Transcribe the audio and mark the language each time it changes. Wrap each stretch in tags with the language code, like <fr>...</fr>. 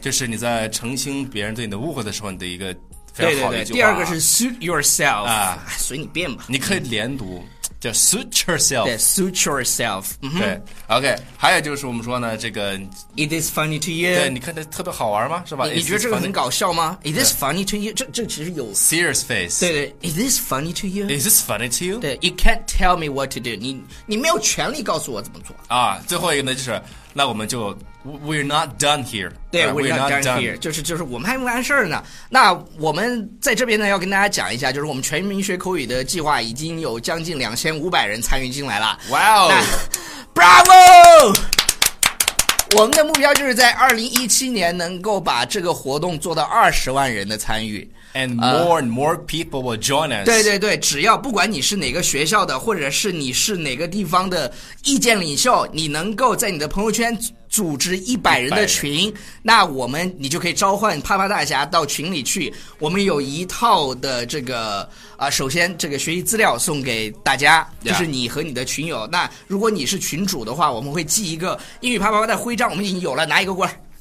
<zh>就是你在澄清别人对你的误会的时候，你的一个非常好的一句话。对对对，第二个是 Suit yourself 啊，随你便吧。你可以连读。叫 suit yourself.</zh> <en>对 suit yourself.、 Mm-hmm.</en> <zh>对 ,OK, 还有就是我们说呢这个</zh> <en>It is funny to you.</en> <zh>对你看这特别好玩吗是吧你觉得这个很搞笑吗</zh> <en>Is this funny to you?</en> <zh>这其实有</zh> <en>Serious face. 对对 Is this funny to you? Is this funny to you? 对 You can't tell me what to do.</en> <zh>你没有权利告诉我怎么做。啊最后一个呢就是那我们就</zh> <en>We're not done here.</en> <zh>对</zh> <en>we're not done here.</en> <zh>就是我们还没完事呢。那我们在这边呢要跟大家讲一下就是我们全民学口语的计划已经有将近2500人参与进来了。</zh> <en>Wow! Bravo!</en> <zh>我们的目标就是在2017年能够把这个活动做到20万人的参与。</zh> <en>And more and more people will join us.</en> <zh>对对对，只要不管你是哪个学校的，或者是你是哪个地方的意见领袖，你能够在你的朋友圈组织100人的群，那我们你就可以召唤啪啪大侠到群里去。我们有一套的这个首先这个学习资料送给大家，就是你和你的群友。那如果你是群主的话，我们会寄一个英语啪啪啪的徽章，我们已经有了，拿一个过来。</zh>